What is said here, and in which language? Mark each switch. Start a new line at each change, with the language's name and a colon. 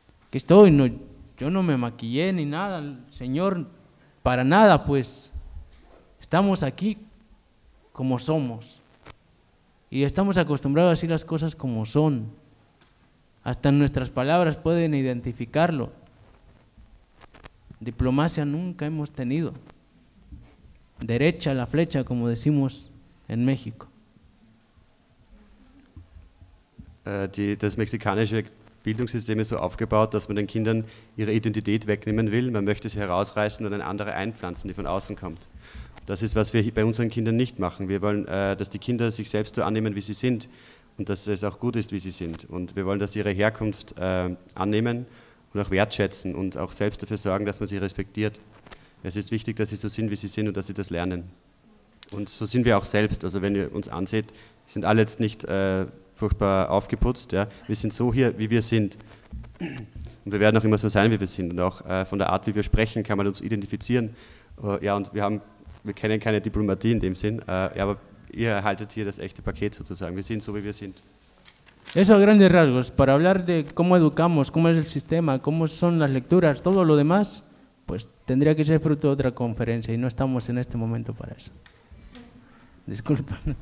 Spanish: Que estoy, no, yo no me maquillé ni nada, Señor, para nada, pues estamos aquí como somos y estamos acostumbrados a decir las cosas como son. Hasta nuestras palabras pueden identificarlo. Diplomacia nunca hemos tenido. Derecha la flecha, como decimos en México.
German: Das mexikanische Bildungssystem ist so aufgebaut, dass man den Kindern ihre Identität wegnehmen will. Man möchte sie herausreißen und eine andere einpflanzen, die von außen kommt. Das ist, was wir bei unseren Kindern nicht machen. Wir wollen, dass die Kinder sich selbst so annehmen, wie sie sind, und dass es auch gut ist, wie sie sind. Und wir wollen, dass sie ihre Herkunft annehmen und auch wertschätzen und auch selbst dafür sorgen, dass man sie respektiert. Es ist wichtig, dass sie so sind, wie sie sind, und dass sie das lernen. Und so sind wir auch selbst. Also wenn ihr uns anseht, sind alle jetzt nicht furchtbar aufgeputzt. Ja. Wir sind so hier, wie wir sind. Und wir werden auch immer so sein, wie wir sind. Und auch von der Art, wie wir sprechen, kann man uns identifizieren. Und wir kennen keine Diplomatie in dem Sinn. Aber ihr erhaltet hier das echte Paket sozusagen. Wir sind so, wie wir sind.
Spanish: Eso a grandes rasgos. Para hablar de cómo educamos, cómo es el sistema, cómo son las lecturas, todo lo demás, pues tendría que ser fruto de otra conferencia y no estamos en este momento para eso. Disculpa.